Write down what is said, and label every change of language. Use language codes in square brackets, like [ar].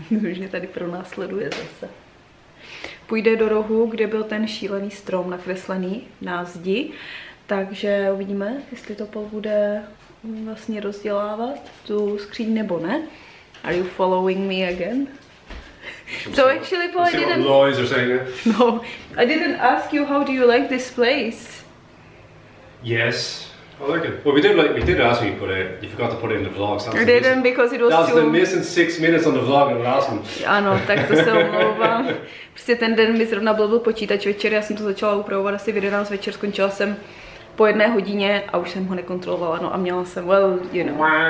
[cs] Už mě tady pronásleduje zase. Půjde do rohu, kde byl ten šílený strom nakreslený na zdi. Takže uvidíme, jestli to bude vlastně rozdělávat tu skříň nebo ne. [en] Are you following me again? So actually, Paul, I didn't. What noise you're saying? No, I didn't ask you how do you like this place. Yes, I like it. Well, we did ask you, but you forgot to put it in the vlog. So I didn't because it was that's too. That's the missing 6 minutes on the vlog. I'm asking. [cs] Ano, tak to se omlouvám. Prostě ten den mi zrovna blbl počítač večer. Já jsem to začala upravovat asi v 11 večer. Skončila jsem po jedné hodině a už jsem ho nekontrolovala. No a měla jsem [en] well, you know.